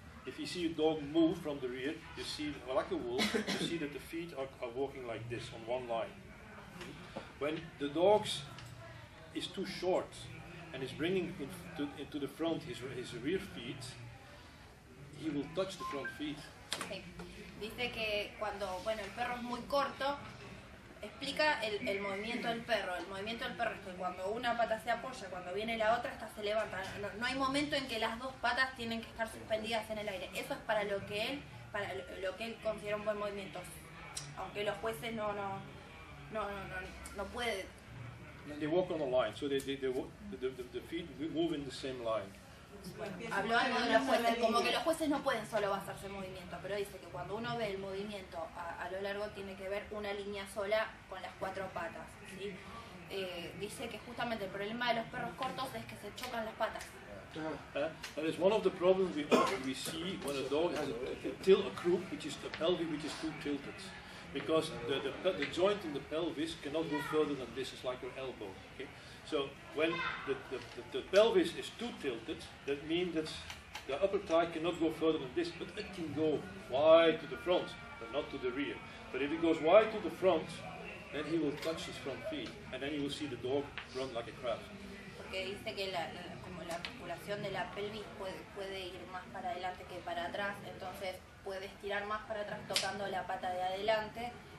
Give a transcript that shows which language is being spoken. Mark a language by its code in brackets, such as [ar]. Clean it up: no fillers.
[en] If you see a dog move from the rear, you see, like a wolf, you see that the feet are walking like this on one line. When the dog is too short and is bringing into the front his rear feet, he will touch the front feet. Okay. [es] Dice que cuando, bueno, el perro es muy corto, explica el movimiento del perro. El movimiento del perro es que cuando una pata se apoya, cuando viene la otra, esta se levanta. No hay momento en que las dos patas tienen que estar suspendidas en el aire. Eso es para lo que él, para lo que él considera un buen movimiento. Aunque los jueces no pueden. [en] They walk on a line, so the feet move in the same line. [es] Habló algo de los jueces, como que los jueces no pueden solo basarse en movimiento, pero dice que cuando uno ve el movimiento a lo largo tiene que ver una línea sola con las cuatro patas, ¿sí? Dice que justamente el problema de los perros cortos es que se chocan las patas. [en] That is one of the problems we see when a dog has a croup, which is the pelvis, which is too tilted. Because the joint in the pelvis cannot go further than this, it's like your elbow. Okay? So when the pelvis is too tilted, that means that the upper thigh cannot go further than this, but it can go wide to the front, but not to the rear. But if it goes wide to the front, then he will touch his front feet, and then you will see the dog run like a crab. [es] Porque dice que la articulación de la pelvis puede ir más para adelante que para atrás, entonces puede estirar más para atrás tocando la pata de adelante.